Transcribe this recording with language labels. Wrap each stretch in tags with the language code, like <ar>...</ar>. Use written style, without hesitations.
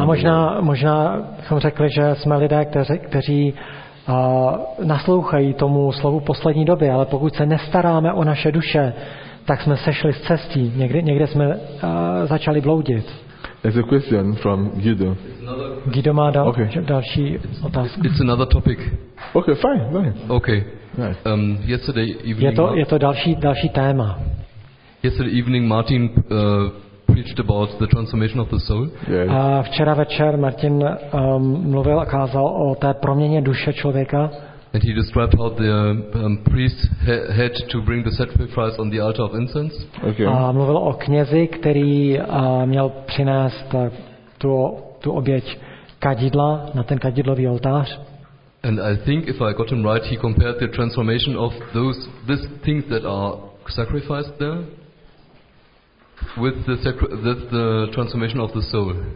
<cs>A možná bychom řekli, že jsme lidé, kteří naslouchají tomu slovu poslední doby, ale pokud se nestaráme o naše duše, tak jsme sešli z cestí. Někde jsme začali bloudit.</cs> <en>There's a question from Guido.</en> <cs>Guido má další otázku.</cs> <en>It's another topic. Okay, fine. Okay. Yesterday evening.</en> <cs>Je to další téma.</cs> <en>Yesterday evening Martin preached about the transformation of the soul.</en> <cs>A včera večer Martin mluvil a kázal o té proměně duše člověka.</cs> <en>And he described how the priest had to bring the sacrifice on the altar of incense. Okay.</en> <cs>A mluvil o knězi, který měl přinést tu oběť kadidla na ten kadidlový oltář.</cs> <en>And I think if I got him right, he compared the transformation of these things that are sacrificed there with the transformation of the soul.</en>